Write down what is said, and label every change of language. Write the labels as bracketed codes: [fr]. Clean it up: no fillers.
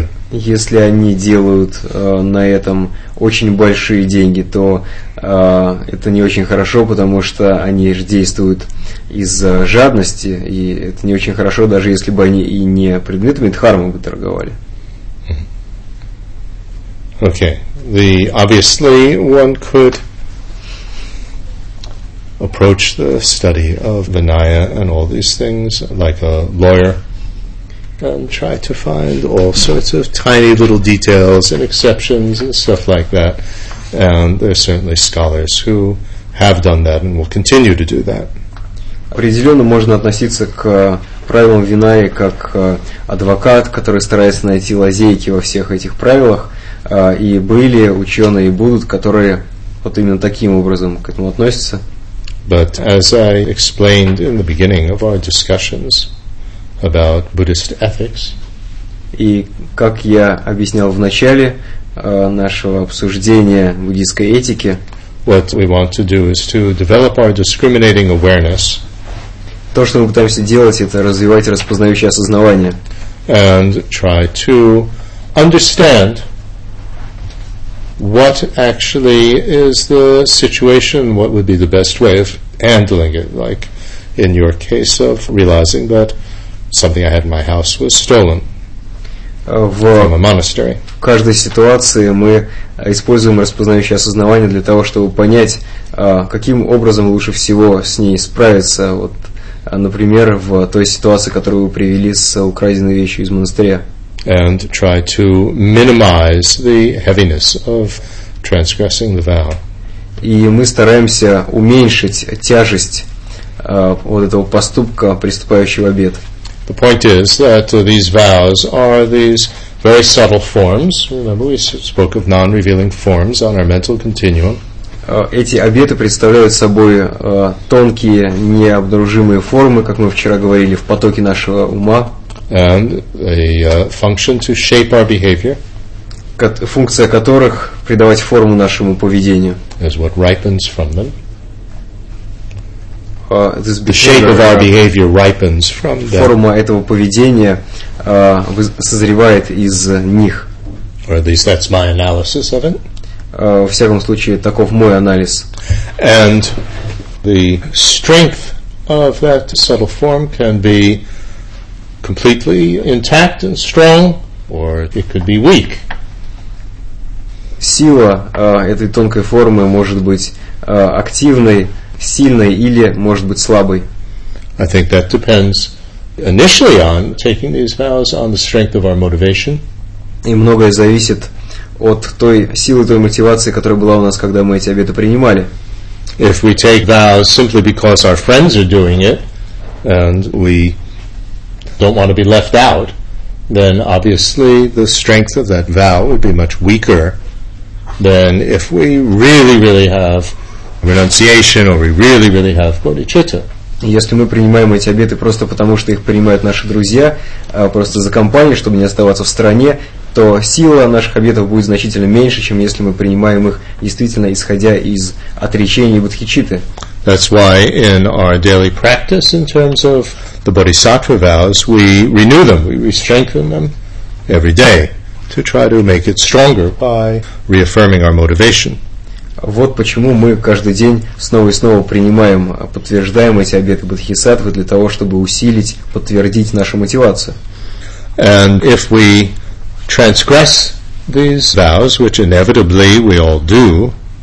[ru] Если они делают на этом очень большие деньги, то это не очень хорошо, потому что они же действуют из-за жадности, и это не очень хорошо, даже если бы они и не предметами дхармы бы торговали. [en] Okay. The obviously one could approach the study of Vinaya and all these things like a lawyer. And try to find all sorts of tiny little details and exceptions and stuff like that. And there are certainly scholars who have done that and will continue to do that. [ru] Определенно можно относиться к правилам Винаи как адвокат, который старается найти лазейки во всех этих правилах. И были ученые и будут, которые вот именно таким образом к этому относятся. [en] But as I explained in the beginning of our discussions about Buddhist ethics. [ru] И как я объяснял в начале нашего обсуждения буддийской этики, [en] what we want to do is to develop our discriminating awareness. [ru] То, что мы пытаемся делать, это развивать распознающее осознавание. [en] And try to understand what actually is the situation, what would be the best way of handling it, like in your case of realizing that something I had in my house was stolen from a monastery. [ru] В каждой ситуации мы используем распознающее осознавание для того, чтобы понять, каким образом лучше всего с ней справиться. Вот, например, в той ситуации, которую вы привели с украденной вещью из монастыря. [en] And try to minimize the heaviness of transgressing the vow. [ru] И мы стараемся уменьшить тяжесть вот этого поступка, приступающего обет. [en] The point is that these vows are these very subtle forms. Remember, we spoke of non-revealing forms on our mental continuum. [ru] Эти обеты представляют собой тонкие, необнаружимые формы, как мы вчера говорили, в потоке нашего ума. [en] And they function to shape our behavior. [ru] Функция которых — придавать форму нашему поведению. [en] Is what ripens from them. This the shape of our behavior ripens from them. [ru] Форма этого поведения созревает из них. [en] Or at least that's my analysis of it. [ru] Во всяком случае, таков мой анализ. [en] And the strength of that subtle form can be completely intact and strong, or it could be weak. [ru] Сила этой тонкой формы может быть активной, сильной или, может быть, слабой. [en] I think that depends initially on taking these vows on the strength of our motivation. [ru] И многое зависит от той силы, той мотивации, которая была у нас, когда мы эти обеты принимали. [en] If we take vows simply because our friends are doing it and we don't want to be left out, then obviously the strength of that vow would be much weaker than if we really, really have renunciation, or we really, really have bodhicitta. [ru] Если мы принимаем эти обеты просто потому, что их принимают наши друзья, просто за компанию, чтобы не оставаться в стороне, то сила наших обетов будет значительно меньше, чем если мы принимаем их действительно исходя из отречения и бодхичитты. [en] That's why in our daily practice, in terms of the bodhisattva vows, we renew them, we strengthen them every day to try to make it stronger by reaffirming our motivation. [ru] Вот почему мы каждый день снова и снова принимаем, подтверждаем эти обеты бодхисаттвы для того, чтобы усилить, подтвердить нашу мотивацию. [en] And if we transgress these vows, which inevitably we all do,